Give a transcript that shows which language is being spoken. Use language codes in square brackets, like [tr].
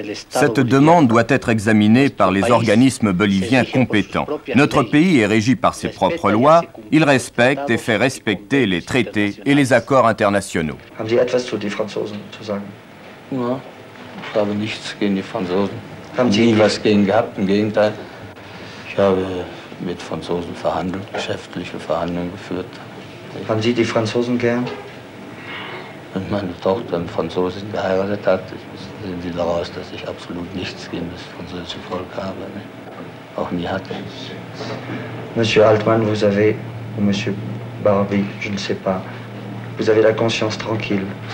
[fr] Cette demande doit être examinée par les organismes boliviens compétents. Notre pays est régi par ses propres lois, il respecte et fait respecter les traités et les accords internationaux. Avez-vous quelque chose contre les Français à dire ? Non. [de] Ich habe nichts gegen die Franzosen. Haben Sie nie was gegen gehabt? Im Gegenteil. Ich habe mit Franzosen verhandelt, geschäftliche Verhandlungen geführt. Haben Sie die Franzosen gern? Wenn meine Tochter einen Franzosen geheiratet hat, sehen Sie daraus, dass ich absolut nichts gegen das französische Volk habe. Ne? Auch nie hatte. [fr] Monsieur Altmann, vous avez, ou Monsieur Barbie, je ne sais pas. Vous avez la conscience tranquille.